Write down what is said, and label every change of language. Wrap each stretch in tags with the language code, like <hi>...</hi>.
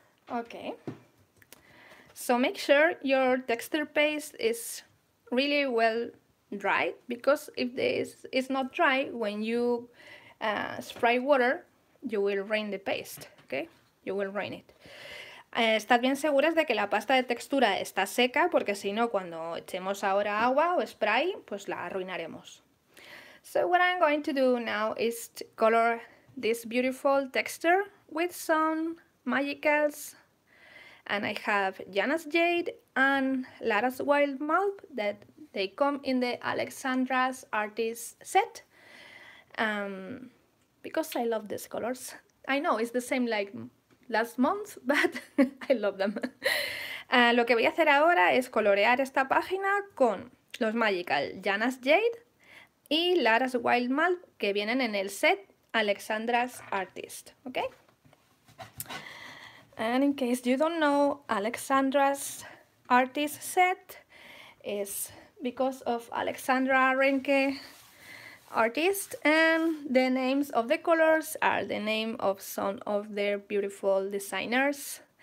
<en>Okay, so make sure your texture paste is really well dried, because if this is not dry, when you spray water, you will ruin the paste, okay? You will ruin it.</en> <es>Estad bien seguras de que la pasta de textura está seca, porque si no, cuando echemos ahora agua o spray, pues la arruinaremos.</es> <en>So what I'm going to do now is to color this beautiful texture with some magicals. And I have Jana's Jade and Lara's Wild Mulp, that they come in the Alexandra's Artist set. Because I love these colors. I know, it's the same like last month, but I love them.</en> <es>Lo que voy a hacer ahora es colorear esta página con los Magical Jana's Jade y Lara's Wild Mulp, que vienen en el set Alexandra's Artist, ¿ok?</es> <en>And in case you don't know, Alexandra's Artist set is because of Alexandra Renke, artist, and the names of the colors are the name of some of their beautiful designers.</en>